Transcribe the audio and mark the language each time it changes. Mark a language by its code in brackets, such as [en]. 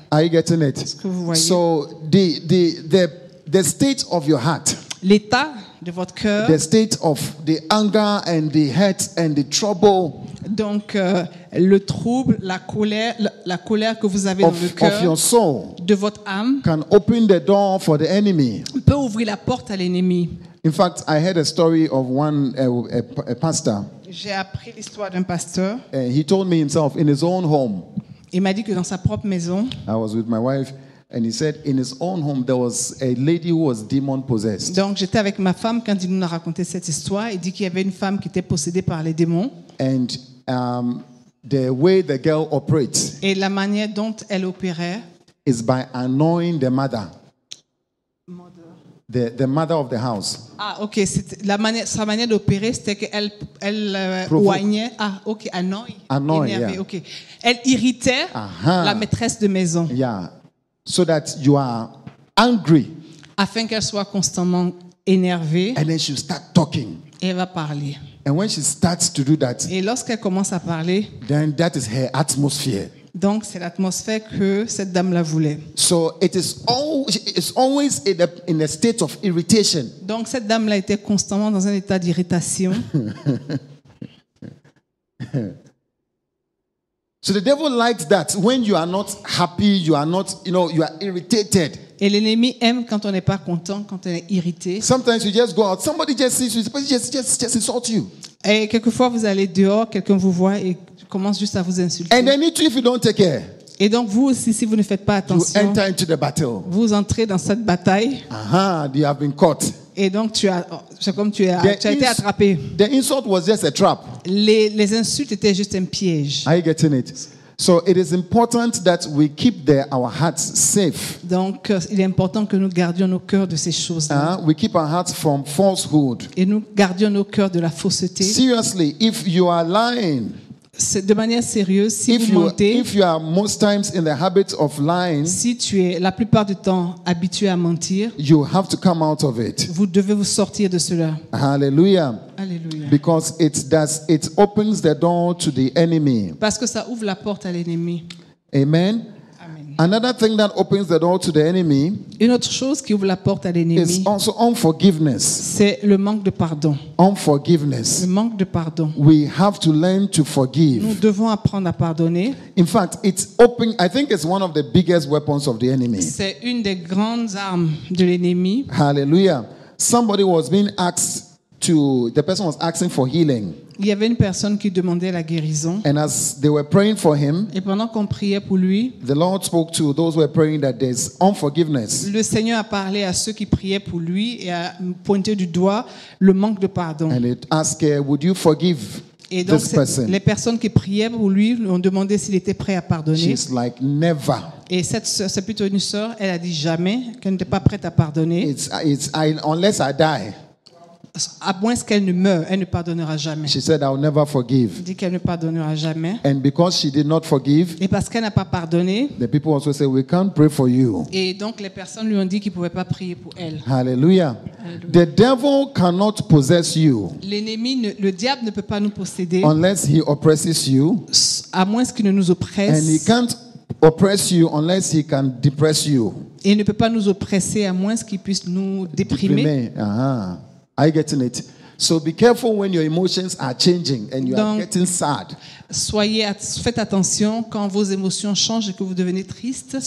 [en] Are you getting it? [fr] Est-ce que vous voyez? [en] So the state of your heart. [fr] L'état de votre cœur. [en] The state of the anger and the hurt and the trouble. [fr] Donc le trouble, la colère que vous avez dans le cœur de votre âme [en] can open the door for the enemy. [fr] Peut ouvrir la porte à l'ennemi. [en] In fact, I heard a story of one a pastor. [fr] J'ai appris l'histoire d'un pasteur. [en] He told me himself in his own home. [fr] Il m'a dit que dans sa propre maison. [en] I was with my wife. And he said, in his own home, there was a lady who was demon possessed. [fr] Donc j'étais avec ma femme quand il nous a raconté cette histoire. Il dit qu'il y avait une femme qui était possédée par les démons. [en] And the way the girl operates. [fr] Et la manière dont elle opérait. [en] Is by annoying the mother. The mother of the house. Ah, ok. [fr] Sa manière d'opérer, c'était qu'elle oignait. [en] Ah, ok. Annoy. Yeah. Ok. [fr] Elle irritait la maîtresse de maison. [en] Yeah. So that you are angry. [fr] Afin qu'elle soit constamment énervée. [en] And then she'll start talking. [fr] Elle va parler. [en] And when she starts to do that, [fr] et lorsqu'elle commence à parler, [en] then that is her atmosphere. [fr] Donc c'est l'atmosphère que cette dame la voulait. [en] So it is all, it's always in a state of irritation. [fr] Donc cette dame là était constamment dans un état d'irritation. [en] So the devil likes that when you are not happy, you are not, you know, you are irritated. [fr] Et l'ennemi aime quand on n'est pas content, quand on est irrité. [en] Sometimes you just go out. Somebody just sees you. Somebody just insults you. [fr] Et quelquefois vous allez dehors, quelqu'un vous voit et commence juste à vous insulter. [en] And then if you don't take care. [fr] Et donc vous aussi, si vous ne faites pas attention, [en] you enter into the battle. [fr] Vous entrez dans cette bataille. [en] You have been caught. [fr] Et donc tu as été attrapé. [en] The insult was just a trap. [fr] Les insultes étaient juste un piège. [en] Are you getting it? So it is important that we keep our hearts safe. [fr] Donc il est important que nous gardions nos cœurs de ces choses-là. [en] We keep our hearts from falsehood. [fr] Et nous gardions nos cœurs de la fausseté. [en] Seriously, if you are lying. [fr] De manière sérieuse, si vous mentez. [en] If you are most times in the habit of lying. [fr] Si tu es la plupart du temps habitué à mentir. [en] You have to come out of it. [fr] Vous devez vous sortir de cela. [en] Hallelujah. [fr] Alléluia. [en] Because it opens the door to the enemy. [fr] Parce que ça ouvre la porte à l'ennemi. [en] Amen. Another thing that opens the door to the enemy. [fr] Une autre chose qui ouvre la porte à l'ennemi. [en] Is also unforgiveness. [fr] C'est le manque de pardon. [en] Unforgiveness. [fr] Le manque de pardon. [en] We have to learn to forgive. [fr] Nous devons apprendre à pardonner. [en] In fact, I think it's one of the biggest weapons of the enemy. [fr] C'est une des grandes armes de l'ennemi. [en] Hallelujah. Somebody was being asked to, the person was asking for healing. [fr] Il y avait une personne qui demandait la guérison. [en] And as they were praying for him, [fr] et pendant qu'on priait pour lui, [en] the Lord spoke to those who were praying that there's unforgiveness. [fr] Le Seigneur a parlé à ceux qui priaient pour lui et a pointé du doigt le manque de pardon. [en] And it asked her, would you forgive [fr] et donc, [en] this person? [fr] Les personnes qui priaient pour lui ont demandé s'il était prêt à pardonner. [en] She's like, never. [fr] Et cette sœur, c'est plutôt une sœur, elle a dit jamais qu'elle n'était pas prête à pardonner. [en] Unless I die. [fr] À moins qu'elle ne meure, elle ne pardonnera jamais. [en] She said, I'll never forgive. [fr] Dit qu'elle ne pardonnera jamais. [en] And because she did not forgive, [fr] et parce qu'elle n'a pas pardonné, [en] the people also said, we can't pray for you. [fr] Et donc les personnes lui ont dit qu'ils ne pouvaient pas prier pour elle. [en] Hallelujah. The devil cannot possess you. [fr] L'ennemi, le diable ne peut pas nous posséder. [en] Unless he oppresses you. [fr] À moins qu'il ne nous oppresse. [en] And he can't oppress you unless he can depress you. [fr] Et il ne peut pas nous oppresser à moins qu'il puisse nous déprimer. [en] Are you getting it? So be careful when your emotions are changing and you [fr] donc, [en] are getting sad. [fr] Faites attention quand vos émotions changent et que vous devenez triste.